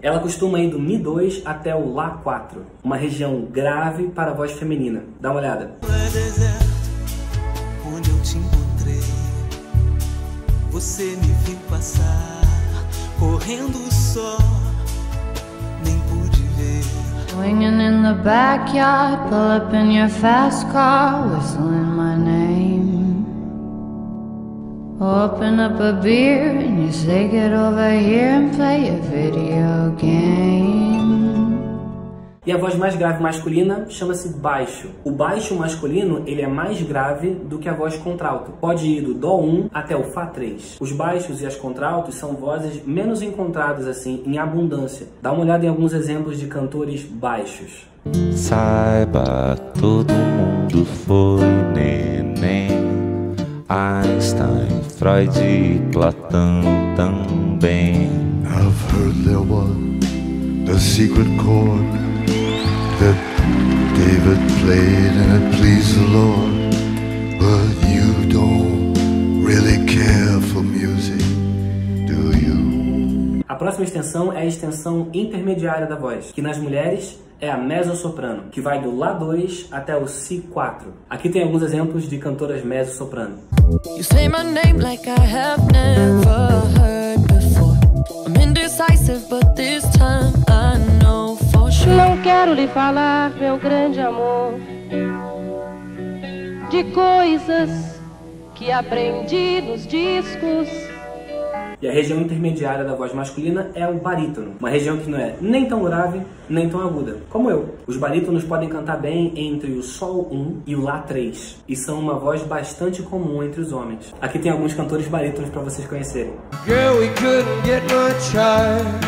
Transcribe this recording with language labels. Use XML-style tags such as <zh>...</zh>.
<pt>Ela costuma ir do Mi 2 até o Lá 4. Uma região grave para a voz feminina. Dá uma olhada. É deserto onde eu te encontrei. Você me viu passar correndo só. Nem pude ver.</pt> <en>Swinging in the backyard, pull up in your fast car, whistling my name. Open up a beer and you say get over here and play a video game.</en> <pt>E a voz mais grave masculina chama-se baixo. O baixo masculino, ele é mais grave do que a voz contralto. Pode ir do Dó 1 até o Fá 3. Os baixos e as contraltos são vozes menos encontradas, assim, em abundância. Dá uma olhada em alguns exemplos de cantores baixos. Saiba, todo mundo foi neném. Einstein, Freud e Platão também.</pt> <en>I've heard there was a secret chord that David played and it pleased the Lord. But you don't really care for music, do you?</en> <pt>A próxima extensão é a extensão intermediária da voz, que nas mulheres é a mezzo-soprano, que vai do Lá 2 até o Si 4. Aqui tem alguns exemplos de cantoras mezzo-soprano.</pt> <en>You say my name like I have never heard before. I'm indecisive, but this time I know for sure.</en> <pt>Não quero lhe falar, meu grande amor, de coisas que aprendi nos discos. E a região intermediária da voz masculina é o barítono, uma região que não é nem tão grave, nem tão aguda, como eu. Os barítonos podem cantar bem entre o Sol 1 e o Lá 3, e são uma voz bastante comum entre os homens. Aqui tem alguns cantores barítonos pra vocês conhecerem.</pt> <en>Girl, we couldn't get much higher.</en>